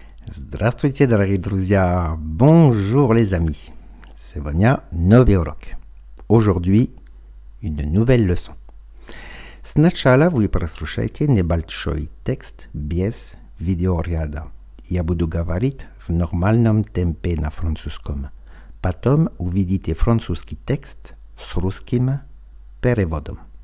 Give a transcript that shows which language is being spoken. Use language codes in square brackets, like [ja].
[ru] Здравствуйте, дорогие друзья! [fr] Bonjour, les amis! C'est Vania, nouvel [ru] урок. [fr] Aujourd'hui, une nouvelle leçon. [ru] Сначала вы прослушаете небольшой текст без видеоряда. Я буду говорить в нормальном темпе на французском. Потом увидите французский текст с русским переводом.